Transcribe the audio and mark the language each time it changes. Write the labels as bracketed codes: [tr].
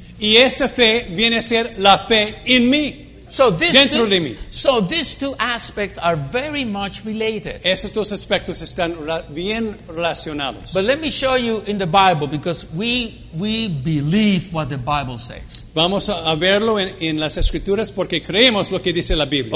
[es] Y esa fe viene a ser la fe en mí. [en] So this [es] dentro de mí. [en] So these two aspects are very much related. [es] Esos dos aspectos están bien relacionados. [en] But let me show you in the Bible because we believe what the Bible says. [es] Vamos a verlo en las Escrituras porque creemos lo que dice la Biblia.